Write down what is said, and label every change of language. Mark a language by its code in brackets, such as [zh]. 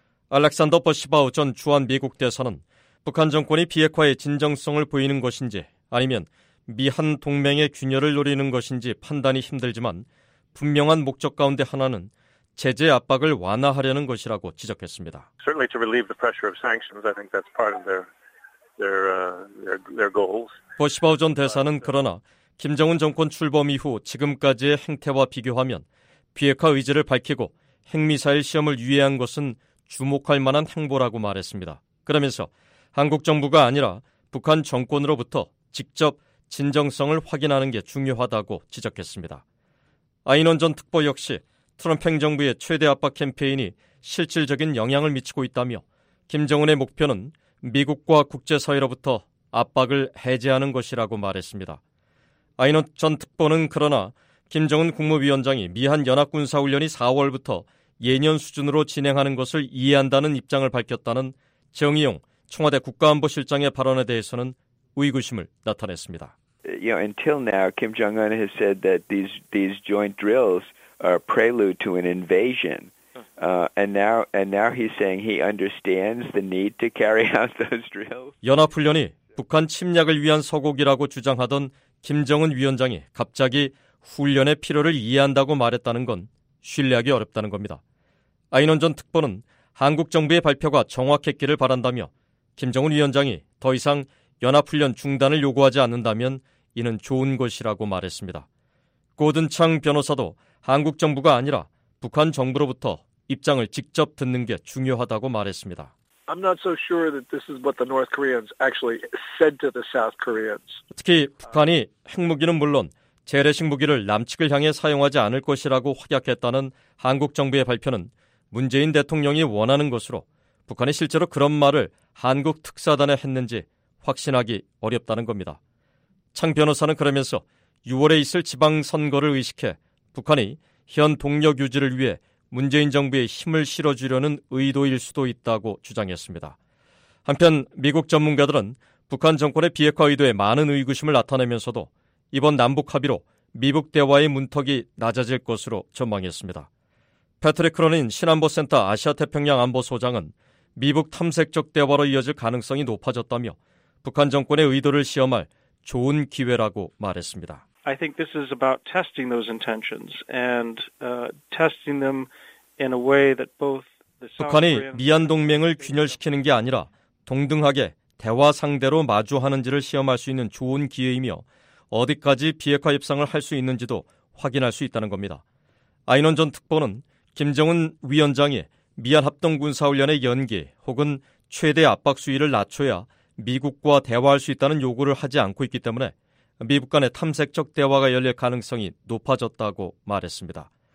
[ko] 알렉산더 버시바우 전 주한미국 대사는 북한 정권이 비핵화의 진정성을 보이는 것인지 아니면 미한 동맹의 균열을 노리는 것인지 판단이 힘들지만 분명한 목적 가운데 하나는 제재 압박을 완화하려는 것이라고 지적했습니다. [en] Certainly to relieve the pressure of sanctions, I think that's part of their goals. [ko] 버시바우 전 대사는 그러나 김정은 정권 출범 이후 지금까지의 행태와 비교하면 비핵화 의지를 밝히고 핵미사일 시험을 유예한 것은 주목할 만한 행보라고 말했습니다. 그러면서 한국 정부가 아니라 북한 정권으로부터 직접 진정성을 확인하는 게 중요하다고 지적했습니다. 아이논 전 특보 역시 트럼프 행정부의 최대 압박 캠페인이 실질적인 영향을 미치고 있다며 김정은의 목표는 미국과 국제사회로부터 압박을 해제하는 것이라고 말했습니다. 아이논 전 특보는 그러나 김정은 국무위원장이 미한 연합군사훈련이 4월부터 예년 수준으로 진행하는 것을 이해한다는 입장을 밝혔다는 정의용 청와대 국가안보실장의 발언에 대해서는 의구심을 나타냈습니다. [en] You know, until now, Kim Jong-un has said that these joint drills are prelude to an invasion. And now he's saying he understands the need to carry out those drills. [ko] 연합훈련이 북한 침략을 위한 서곡이라고 주장하던 김정은 위원장이 갑자기 훈련의 필요를 이해한다고 말했다는 건 신뢰하기 어렵다는 겁니다. 아이논 전 특보는 한국 정부의 발표가 정확했기를 바란다며 김정은 위원장이 더 이상 연합훈련 중단을 요구하지 않는다면 이는 좋은 것이라고 말했습니다. 고든 창 변호사도 한국 정부가 아니라 북한 정부로부터 입장을 직접 듣는 게 중요하다고 말했습니다. [en] I'm not so sure that this is what the North Koreans actually said to the South Koreans. [ko] 특히 북한이 핵무기는 물론 재래식 무기를 남측을 향해 사용하지 않을 것이라고 확약했다는 한국 정부의 발표는 문재인 대통령이 원하는 것으로 북한이 실제로 그런 말을 한국 특사단에 했는지 확신하기 어렵다는 겁니다. 창 변호사는 그러면서 6월에 있을 지방선거를 의식해 북한이 현 동력 유지를 위해 문재인 정부에 힘을 실어주려는 의도일 수도 있다고 주장했습니다. 한편 미국 전문가들은 북한 정권의 비핵화 의도에 많은 의구심을 나타내면서도 이번 남북 합의로 미북 대화의 문턱이 낮아질 것으로 전망했습니다. 패트릭 크로닌 신안보센터 아시아태평양 안보소장은 미북 탐색적 대화로 이어질 가능성이 높아졌다며 북한 정권의 의도를 시험할 좋은 기회라고 말했습니다. [en] I think this is about testing those intentions and testing them in a way that both the [ko] 북한이 미얀 동맹을 균열시키는 게 아니라 동등하게 대화 상대로 마주하는지를 시험할 수 있는 좋은 기회이며 어디까지 비핵화 협상을 할 수 있는지도 확인할 수 있다는 겁니다. 아이논 전 특보는 김정은 위원장이 미얀 합동군사훈련의 연기 혹은 최대 압박 수위를 낮춰야 미국과 대화할 수 있다는 요구를 하지 않고 있기 때문에 미북 간의 탐색적 대화가 열릴 가능성이 높아졌다고 말했습니다.